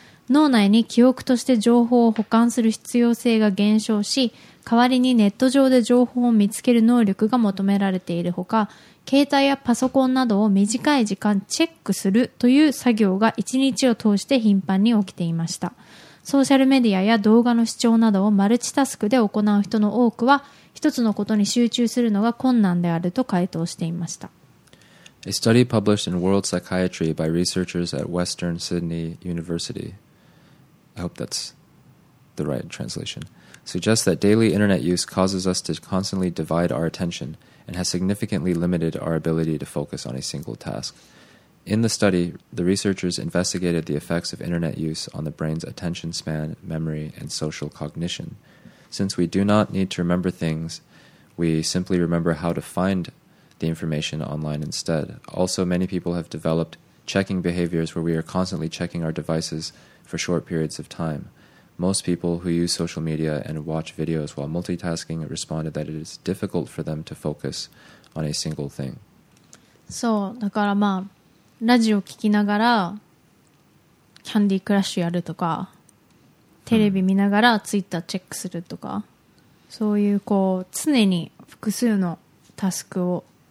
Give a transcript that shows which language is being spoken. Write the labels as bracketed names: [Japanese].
[Japanese] 脳内に記憶として情報を保管する必要性が減少し、代わりにネット上で情報を見つける能力が求められているほか、携帯やパソコンなどを短い時間チェックするという作業が1日を通して頻繁に起きていました。ソーシャルメディアや動画の視聴などをマルチタスクで行う人の多くは、一つのことに集中するのが困難であると回答していました。 [English] A study published in World Psychiatry by researchers at Western Sydney UniversitySuppose that's the right translation, suggests that daily internet use causes us to constantly divide our attention and has significantly limited our ability to focus on a single task. In the study, the researchers investigated the effects of internet use on the brain's attention span, memory, and social cognition. Since we do not need to remember things, we simply remember how to find the information online instead. Also, many people have developed checking behaviors where we are constantly checking our devices for short periods of time. Most people who use social media and watch videos while multitasking responded that it is difficult for them to focus on a single thing. [Japanese] そう、だからまあ、ラジオ聞きながらキャンディークラッシュやるとか、テレビ見ながらツイッターチェックするとか、そういうこう常に複数のタスクを